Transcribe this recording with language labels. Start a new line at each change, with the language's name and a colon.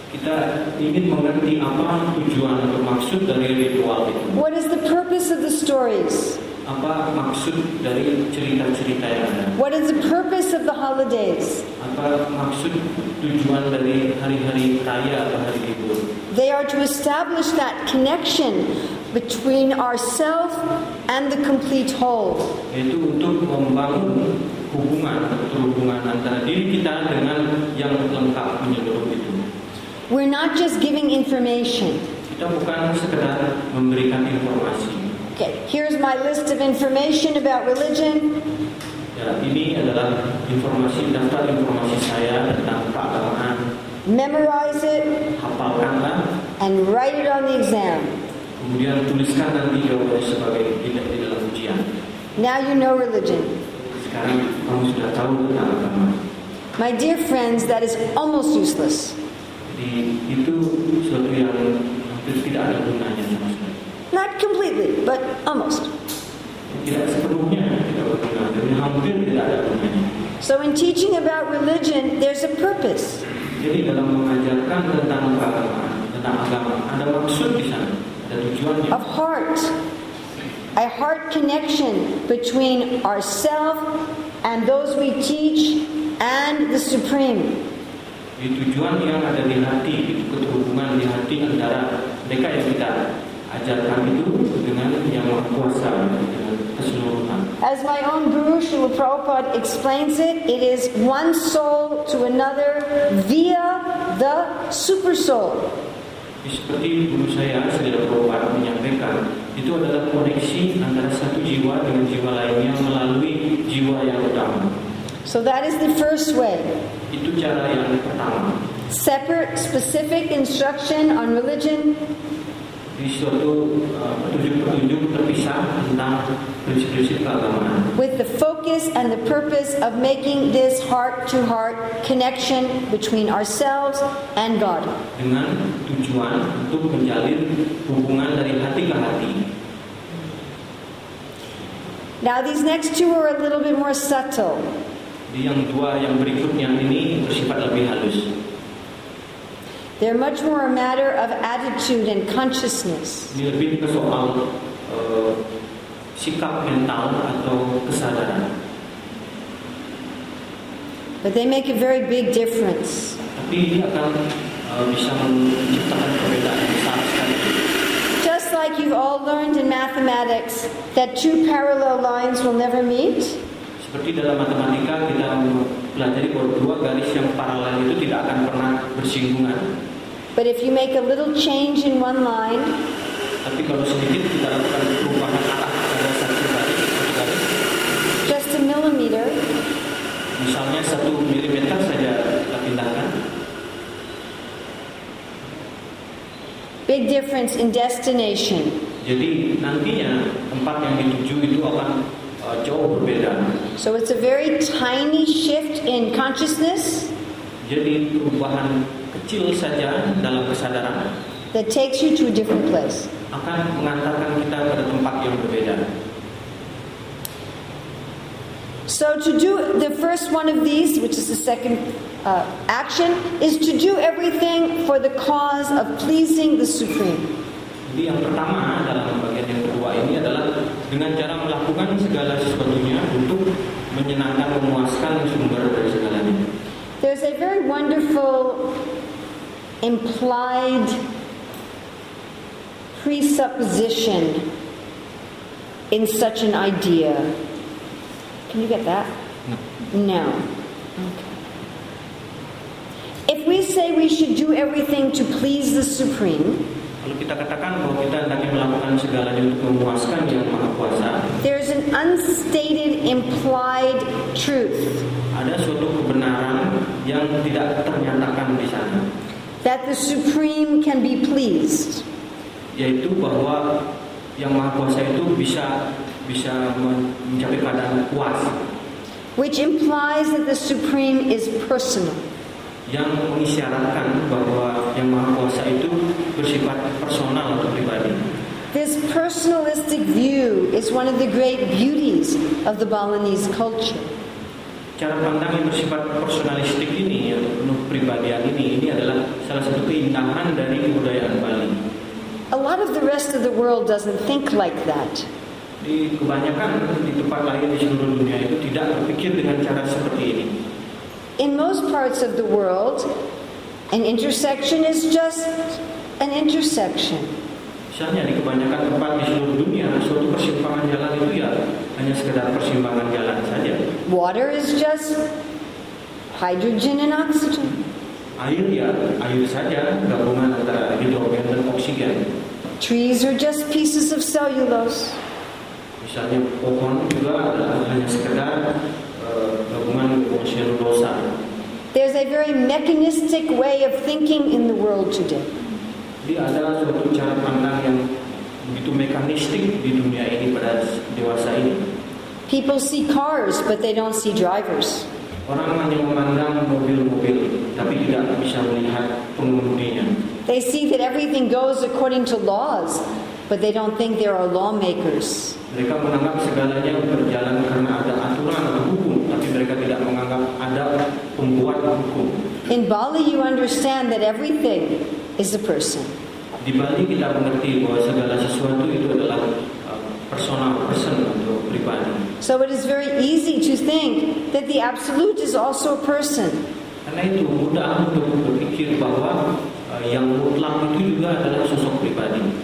Indonesian: kita ingin mengerti apa tujuan atau maksud dari ritual itu.
English: What is the purpose of the stories?
Indonesian: Apa maksud dari cerita-cerita yang ada?
English: What is the purpose of the holidays?
Indonesian: Apa maksud tujuan dari hari-hari raya atau hari libur?
English: They are to establish that connection between ourselves and the complete whole.
Indonesian: Yaitu untuk membangun hubungan atau hubungan antara diri kita dengan yang lengkap menyeluruh itu.
English: We're not just giving information.
Indonesian: Kita bukan sekedar memberikan informasi.
English: Okay, here's my list of information about religion.
Indonesian: Ya, ini adalah informasi, daftar informasi saya tentang keagamaan.
English: Memorize it.
Indonesian: Hafalkanlah.
English: And write it on the exam.
Indonesian: Kemudian tuliskan nanti jawabannya sebagai di dalam ujian.
English: Now you know religion.
Indonesian: Sekarang kamu sudah tahu tentang agama.
English: My dear friends, that is almost useless.
Indonesian: Jadi itu sesuatu yang hampir tidak ada gunanya.
English: Not completely, but almost.
Indonesian: Tidak sepenuhnya, tidak hampir tidak ada gunanya.
English: So in teaching about religion, there's a purpose.
Indonesian: Jadi dalam mengajarkan tentang agama, ada maksud di sana.
English: Of heart, a heart connection between ourselves and those we teach and the Supreme.
Indonesian: Di tujuan yang ada di hati, keterhubungan di hati antara mereka yang kita ajarkan itu dengan yang Maha Kuasa, dengan keseluruhan.
English: As my own Guru Srila Prabhupada explains it, it is one soul to another via the super soul.
Indonesian: Seperti guru saya Srila Prabhupada menyampaikan, itu adalah koneksi antara satu jiwa dengan jiwa lainnya melalui jiwa yang utama.
English: So that is the first way.
Indonesian: Itu cara yang pertama.
English: Separate specific instruction on religion.
Indonesian: Di suatu petunjuk-petunjuk terpisah tentang prinsip-prinsip keagamaan.
English: With the focus and the purpose of making this heart-to-heart connection between ourselves and God.
Indonesian: Dengan tujuan untuk menjalin hubungan dari hati ke hati.
English: Now these next two are a little bit more subtle.
Indonesian: Di yang dua yang berikutnya ini bersifat lebih halus.
English: They're much more a matter of attitude and consciousness.
Indonesian: Ini lebih ke soal sikap mental atau kesadaran.
English: But they make a very big difference.
Indonesian: Tapi ini akan bisa menciptakan perbedaan yang besar sekali.
English: Just like you've all learned in mathematics that two parallel lines will never meet.
Indonesian: Seperti dalam matematika kita pelajari bahwa dua garis yang paralel itu tidak akan pernah bersinggungan.
English: But if you make a little change in one line,
Indonesian: tapi kalau sedikit kita lakukan perubahan arah pada satu garis,
English: just a millimeter,
Indonesian: misalnya satu milimeter saja kita pindahkan,
English: big difference in destination.
Indonesian: Jadi nantinya tempat yang dituju itu akan jauh berbeda.
English: So it's a very tiny shift in consciousness.
Indonesian: Jadi perubahan kecil saja dalam kesadaran.
English: That takes you to a different place.
Indonesian: Akan mengantarkan kita pada tempat yang berbeda.
English: So to do the first one of these, which is the second action, is to do everything for the cause of pleasing the Supreme.
Indonesian: Jadi yang pertama dalam bagian yang kedua ini adalah dengan cara melakukan segala sesuatunya untuk menyenangkan, memuaskan sumber dari segalanya.
English: There's a very wonderful implied presupposition in such an idea. Can you get that? No. Okay. If we say we should do everything to please the Supreme,
Indonesian: kalau kita katakan bahwa kita hendaknya melakukan segalanya untuk memuaskan Yang Maha Kuasa,
English: there's an unstated implied truth.
Indonesian: Ada suatu kebenaran yang tidak ternyatakan di sana.
English: That the Supreme can be pleased.
Indonesian: Yaitu bahwa Yang Maha Kuasa itu bisa mencapai keadaan puas.
English: Which implies that the Supreme is personal.
Indonesian: Yang mengisyaratkan bahwa Yang Maha Kuasa itu bersifat personal atau pribadi.
English: This personalistic view is one of the great beauties of the Balinese culture.
Indonesian: cara pandang yang bersifat personalistik ini, yang penuh pribadian ini adalah salah satu keindahan dari kebudayaan Bali.
English: A lot of the rest of the world doesn't think like that.
Indonesian: Di kebanyakan di tempat lain di seluruh dunia itu tidak berpikir dengan cara seperti ini.
English: In most parts of the world, an intersection is just an intersection.
Indonesian: Misalnya di kebanyakan tempat di seluruh dunia, suatu persimpangan jalan itu ya hanya sekedar persimpangan jalan saja.
English: Water is just hydrogen and oxygen.
Indonesian: Air ya, air saja, gabungan antara hidrogen dan oksigen.
English: Trees are just pieces of cellulose.
Indonesian: Misalnya pohon juga adalah hanya sekedar gabungan selulosa.
English: There's a very mechanistic way of thinking in the world today.
Indonesian: Jadi ada suatu cara pandang yang begitu mekanistik di dunia ini pada dewasa ini.
English: People see cars, but they don't see drivers.
Indonesian: Orang hanya memandang mobil-mobil, tapi tidak bisa melihat pengemudinya.
English: They see that everything goes according to laws, but they don't think there are lawmakers.
Indonesian: Mereka menganggap segalanya berjalan karena ada aturan atau hukum, tapi mereka tidak menganggap ada pembuat hukum.
English: In Bali, you understand that everything is a person.
Indonesian: Di Bali kita mengerti bahwa segala sesuatu itu adalah personal, person atau pribadi.
English: So it is very easy to think that the absolute is also a person.
Indonesian: Karena itu mudah untuk berpikir bahwa yang mutlak itu juga adalah sosok pribadi.